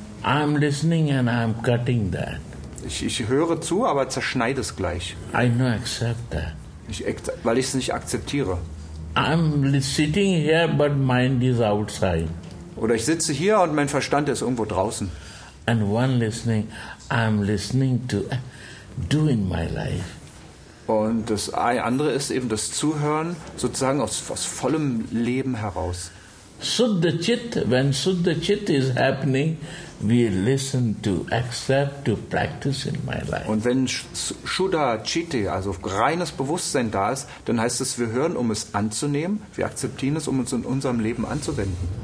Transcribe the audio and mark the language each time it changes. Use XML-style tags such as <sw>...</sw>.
<en>I'm listening and I'm cutting that.</en> <de>Ich höre zu, aber zerschneide es gleich.</de> <en>I no accept that.</en> <de>Weil ich es nicht akzeptiere.</de> <en>I'm sitting here, but mind is outside.</en> <de>Oder ich sitze hier und mein Verstand ist irgendwo draußen.</de> <en>And one listening, I'm listening to doing my life.</en> <de>Und das andere ist eben das Zuhören, sozusagen aus vollem Leben heraus.</de> <en>Shuddha chit, when shuddha chit is happening, we listen to accept to practice in my life.</en> <de>Und wenn Shuddha chitti, also reines Bewusstsein da ist, dann heißt es, wir hören, um es anzunehmen, wir akzeptieren es, um es in unserem Leben anzuwenden.</de>